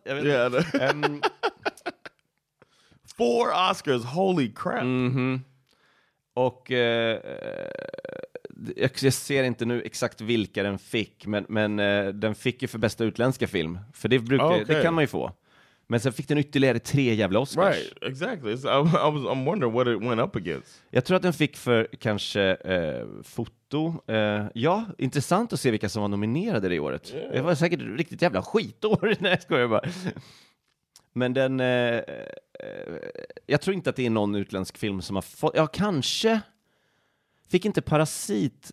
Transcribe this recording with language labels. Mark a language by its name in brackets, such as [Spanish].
[Swedish] Jag vet inte. [English] Yeah, 4 Oscars, holy crap. Mm-hmm. [Swedish] Och jag ser inte nu exakt vilka den fick, men den fick ju för bästa utländska film. För det brukar, det kan man ju få. Men sen fick den ytterligare 3 jävla Oscars. [English] Right, exactly. So I'm wondering what it went up against. [Swedish] Jag tror att den fick för kanske foto. Intressant att se vilka som var nominerade det året. Yeah. Det var säkert riktigt jävla skitår. Nej, skojar jag bara. Men den... jag tror inte att det är någon utländsk film som har fått... Ja, kanske. Fick inte Parasit.